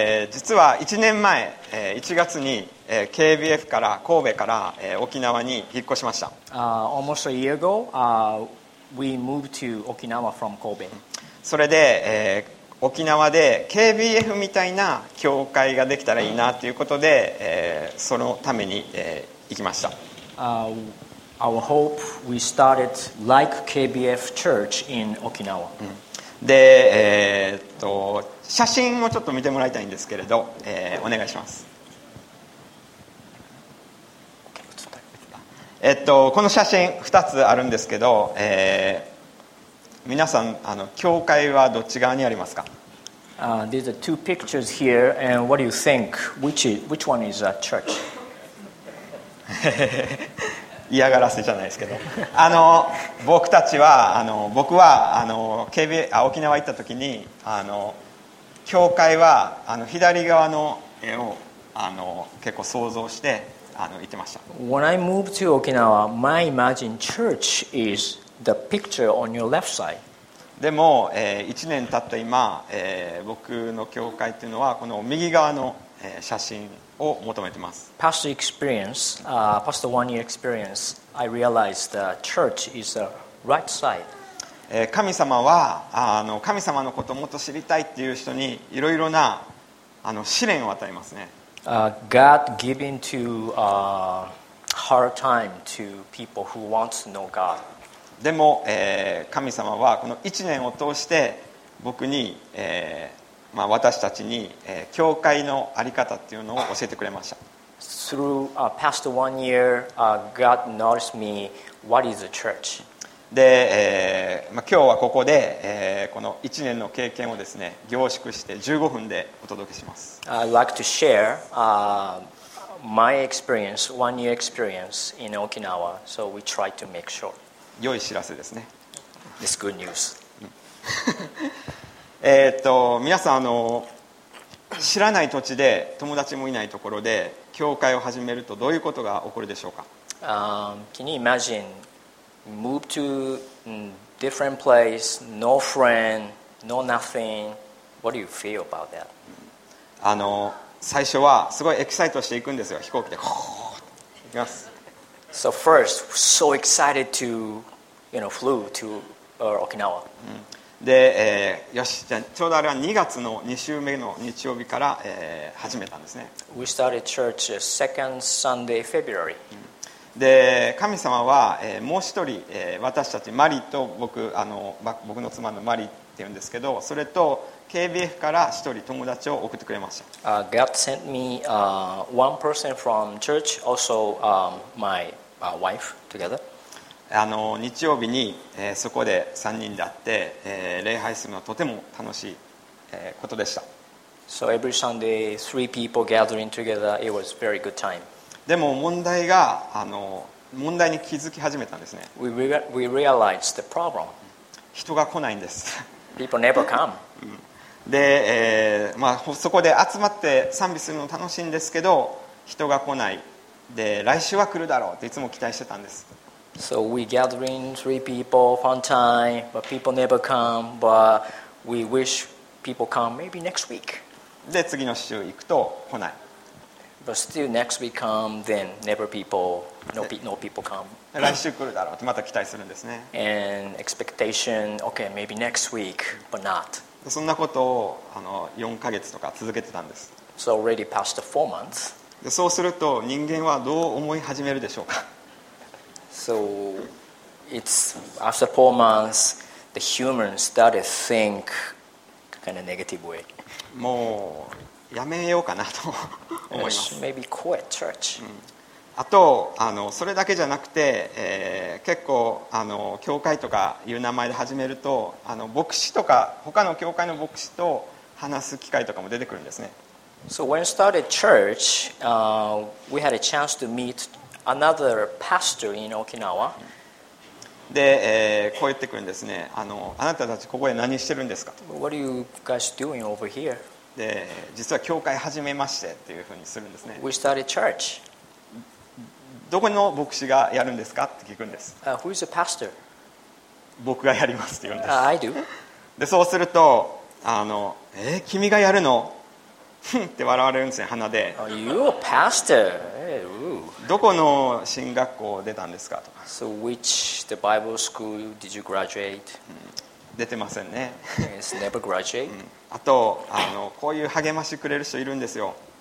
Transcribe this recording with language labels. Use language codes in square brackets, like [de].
[ja] 実は1年前、1月に、KBF から神戸から、沖縄に引っ越しました。 [en] Almost a year ago,We moved to Okinawa from Kobe. [ja] それで、沖縄で KBF みたいな教会ができたらいいなということで、そのために、行きました。 [en] Our hope we started like KBF church in Okinawa. [ja] で、写真をちょっと見てもらいたいんですけれど、お願いします。この写真2つあるんですけど、皆さん教会はどっち側にありますか？ [en] There are two pictures here, and what do you think? Which one is a church? [ja] 嫌がらせじゃないですけど、僕は沖縄行った時に教会は左側の絵を結構想像して。 [en] When I moved to Okinawa, my imagined church is the picture on your left side. [ja] でも、1年経った今、僕の教会というのはこの右側の、写真を求めてます。 [en] Past experience, past one year experience, I realized the church is the right side. [ja] 神様は神様のことをもっと知りたいっていう人にいろいろな試練を与えますね。 [en] God giving to hard time to people who want to know God. [ja] でも、神様はこの一年を通して僕に、私たちに、教会のあり方っていうのを教えてくれました。 [en] Through past one year, God noticed me. What is the church? [ja] で、今日はここで、この1年の経験をですね、凝縮して15分でお届けします。 [en] I'd like to share my experience, one year experience in Okinawa. So we try to make short. [ja] 良い知らせですね。 [en] This good news. [ja] 皆さん知らない土地で友達もいないところで教会を始めるとどういうことが起こるでしょうか。 [en] Can you imagine? Move to different place, no friend, no nothing. What do you feel about that? [ja] 最初はすごいエキサイトしていくんですよ。飛行機で行きます。 [en] So first, so excited to, you know, flew to Okinawa. [ja] で、よし、じゃちょうどあれは2月の2週目の日曜日から、始めたんですね。 [en] We started church second Sunday, February. [ja] で神様は、もう一人、私たちマリと僕の妻のマリっていうんですけど、それと KBF から一人友達を送ってくれました。 [en] God sent me one person from church, also my wife together. [ja] 日曜日に、そこで3人で会って、礼拝するのはとても楽しい、ことでした。 [en] So every Sunday, three people gathering together, it was very good time. [ja] でも問題が問題に気づき始めたんですね。 [en] We realized the problem. [ja] 人が来ないんです。 [en] People never come. [ja] で、そこで集まって賛美するの楽しいんですけど、人が来ない。で、来週は来るだろうっていつも期待してたんです。 [en] So we gathering three people, fun time, but people never come. But we wish people come maybe next week. [ja] で、次の週行くと来ない。 [en] But still, next week come, then never people, no people come. [ja] 来週来るだろうってまた期待するんですね。 [en] And expectation, okay, maybe next week, but not. [ja] そんなことを4ヶ月とか続けてたんです。 [en] So already passed the 4 months. [ja] でそうすると人間はどう思い始めるでしょうか。 [en] So it's after 4 months, the human started think kind of negative way. [ja] もうやめようかなと思います。 [en] Maybe quit church. [ja] あとそれだけじゃなくて、結構教会とかいう名前で始めると牧師とか他の教会の牧師と話す機会とかも出てくるんですね。 [en] So when started church, we had a chance to meet another pastor in Okinawa. [ja] で、こう言ってくるんですね。あなたたちここで何してるんですか。 [en] What are you guys doing over here? [ja] で、実は教会始めましてっていうふうにするんですね。 [en] We started church. [ja] どこの牧師がやるんですかって聞くんです。 [en] Who's the pastor? [ja] 僕がやりますって言うんです。 [en] I do. [ja] で、そうすると、君がやるの？って笑われるんですね、鼻で。 [en] Oh, you're a pastor. [ja] どこの神学校出たんですかとか。 [en] So which the Bible school did you graduate? [ja] 出てませんね。 [en] It's never graduate. [ja] あと、こういう励ましくれる人いるんですよ。